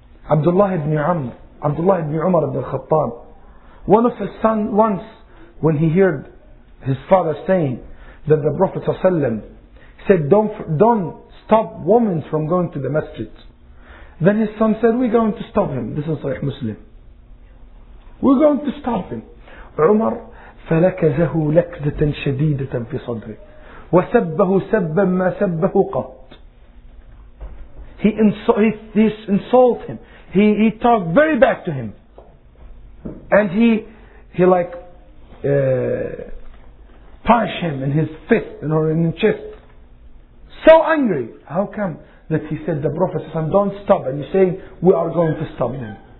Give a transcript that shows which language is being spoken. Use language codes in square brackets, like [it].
[en] Abdullah ibn Umar ibn al-Khattab, one of his sons, once when he heard his father saying that the Prophet ﷺ said, don't stop women from going to the masjid. Then his son said, we're going to stop him. This is Sahih Muslim. We're going to stop him. [ar] Umar, فَلَكَزَهُ لَكْزَةً شَدِيدَةً فِي صَدْرِ وَسَبَّهُ سَبَّا مَا سَبَّهُ قَطْ. [en] He insulted him. He talked very bad to him. And he punch him in his fist or in his chest. So angry. How come that he said the Prophet said, don't stop, and you're saying we are going to stop him?